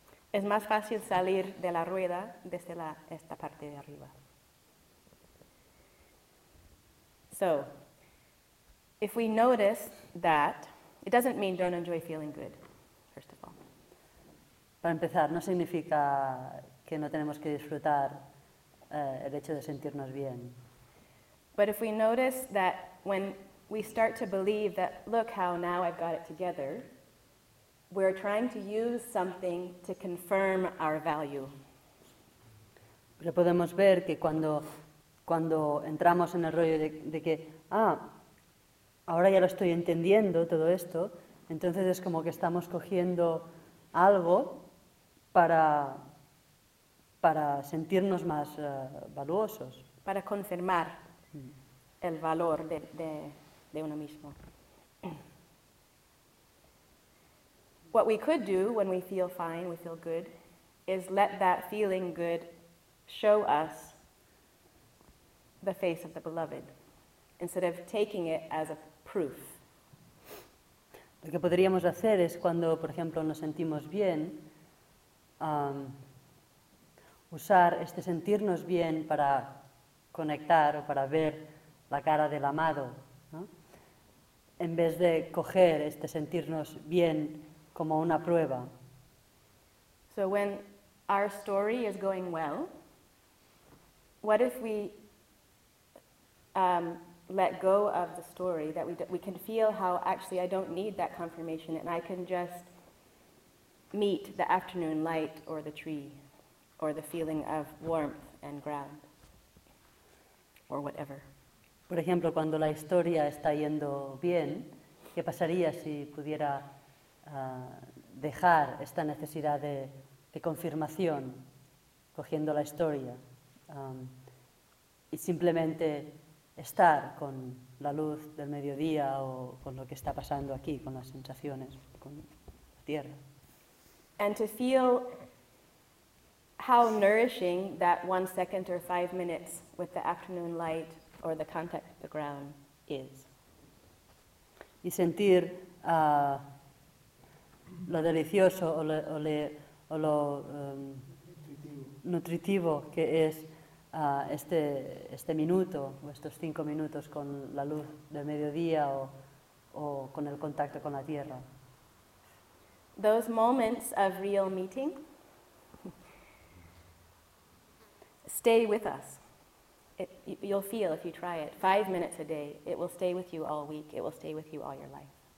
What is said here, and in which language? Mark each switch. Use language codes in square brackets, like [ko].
[es] Es más fácil salir de la rueda desde esta parte de arriba. [en] So, if we notice that, it doesn't mean don't enjoy feeling good, first of all. [es] Para empezar, no significa que no tenemos que disfrutar el hecho de sentirnos bien. [en] But if we notice that when we start to believe that, look how now I've got it together, we're trying to use something to confirm our value. [es] Pero podemos ver que cuando entramos en el rollo de que, ah, ahora ya lo estoy entendiendo todo esto, entonces es como que estamos cogiendo algo para sentirnos más valuosos. Para confirmar el valor de uno mismo. [en] What we could do when we feel fine, we feel good, is let that feeling good show us the face of the beloved, instead of taking it as a proof. [es] Lo que podríamos hacer es cuando, por ejemplo, nos sentimos bien, usar este sentirnos bien para conectar o para ver la cara del amado, ¿no? En vez de coger este sentirnos bien como una prueba. [en] So when our story is going well, what if we let go of the story, that we can feel how actually I don't need that confirmation and I can just meet the afternoon light or the tree or the feeling of warmth and ground or whatever. [es] Por ejemplo, cuando la historia está yendo bien, ¿qué pasaría si pudiera dejar esta necesidad de confirmación cogiendo la historia y simplemente estar con la luz del mediodía o con lo que está pasando aquí, con las sensaciones, con la tierra? [en] And to feel how nourishing that 1 second or 5 minutes with the afternoon light or the contact with the ground is. [es] Y sentir lo delicioso o lo nutritivo que es este minuto o estos 5 minutos con la luz del mediodía o con el contacto con la tierra. [en] Those moments of real meeting stay with us. You'll feel if you try it. 5 minutes a day, it will stay with you all week, it will stay with you all your life.